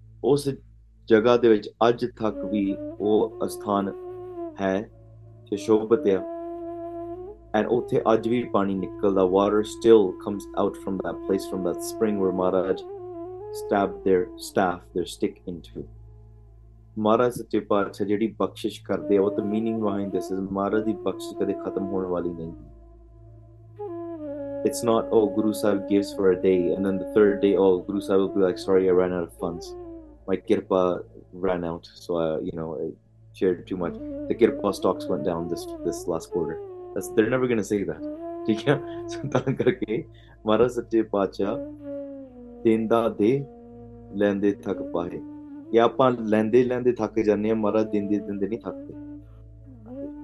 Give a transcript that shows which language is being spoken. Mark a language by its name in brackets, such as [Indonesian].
[Punjabi] ਉਸ ਜਗ੍ਹਾ ਦੇ ਵਿੱਚ ਅੱਜ ਤੱਕ ਵੀ ਉਹ ਅਸਥਾਨ ਹੈ, ਸ਼ੋਭਤ ਆ, ਐਂਡ ਉੱਥੇ ਅੱਜ ਵੀ ਪਾਣੀ ਨਿਕਲਦਾ। [English] Water still comes out from that place, from that spring where Maharaj stab their staff their stick into. [Punjabi] ਮਹਾਰਾਜ ਸੱਚੇ ਪਾਤਸ਼ਾਹ ਜਿਹੜੀ ਬਖਸ਼ਿਸ਼ ਕਰਦੇ ਆ, ਉਹ ਤਾਂ [English] meaning behind this is, [Punjabi] ਮਹਾਰਾਜ ਦੀ ਬਖਸ਼ਿਸ਼ ਕਦੇ ਖਤਮ ਹੋਣ ਵਾਲੀ ਨਹੀਂ। [English] It's not, oh, Guru Sahib gives for a day, and then the third day, oh, Guru Sahib will be like, sorry, I ran out of funds. My kirpa ran out, so I shared too much. The kirpa stocks went down this last quarter. They're never going to say that. [Punjabi] ਠੀਕ ਹੈ, ਸੰਤਾਨ ਕਰਕੇ ਮਹਾਰਾਜ ਸੱਚੇ ਪਾਤਸ਼ਾਹ ਦਿੰਦਾ ਦੇ ਲੈਂਦੇ ਥੱਕ ਪਾਏ, ਜਾਂ ਆਪਾਂ ਲੈਂਦੇ ਲੈਂਦੇ ਥੱਕ ਜਾਂਦੇ ਹਾਂ, ਮਹਾਰਾਜ ਦਿੰਦੇ ਦਿੰਦੇ ਨਹੀਂ ਥੱਕਦੇ।